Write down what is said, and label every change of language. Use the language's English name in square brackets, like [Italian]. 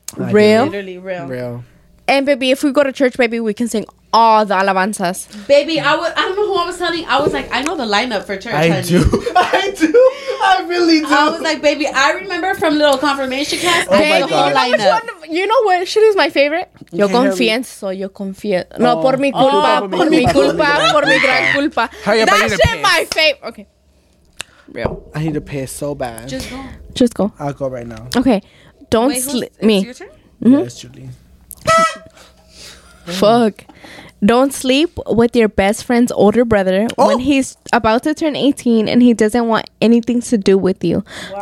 [English] Literally, real. And baby, if we go to church, baby, we can sing all the alabanzas. Baby, I don't know who I was telling. I was like, I know the lineup for church. I do. I really do. I was like, baby, I remember from little confirmation class. Oh, baby, my God. You know what? Shit is my favorite. [Spanish] Yo confieso, yo confío. No, por mi culpa, por mi culpa, por mi gran culpa. [English] That shit my favorite. Okay. Real. I need to piss so bad. Just go. Just go. I'll go right now. Okay. Don't sleep. Me. Mm-hmm. Yes, Julie. Fuck. Don't sleep with your best friend's older brother when he's about to turn 18 and he doesn't want anything to do with you. Wow.